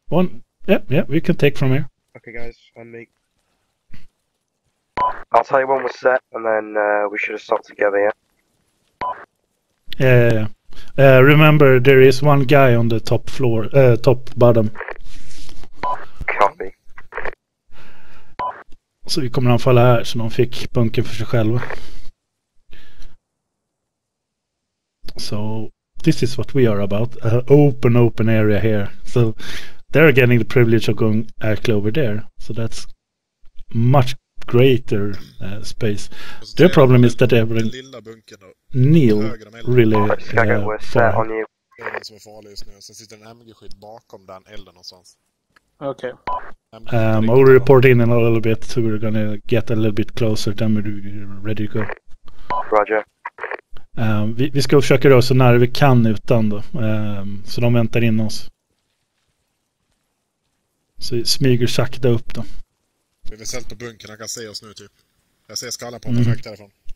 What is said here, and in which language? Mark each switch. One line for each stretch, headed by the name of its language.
English: One. Yeah, we can take from here. Okay, guys, and me. I'll tell you when we're set, and then we should assault together, yeah? Yeah. Remember, there is one guy on the top floor, top bottom. Copy.
Swedish: Så vi kommer anfalla här, så de fick bunken för sig själva.
English: So, this is what we are about. Open area here. So, they're getting the privilege of going actually over there. So that's much greater space. Their problem is that they're Neil really far.
Swedish: Farlig just nu. Sen sitter en MG-skydd bakom den elden någonstans.
English: Okay. I'll report in a little bit so we're gonna get a little bit closer then we're ready to go. Roger.
Swedish: Vi ska försöka röra så nära vi kan utan då. Så de väntar in oss. Så smyger sakta upp då. Vi är väl sällt på bunkern, han kan se oss nu typ. Jag ser skallar på honom direkt därifrån.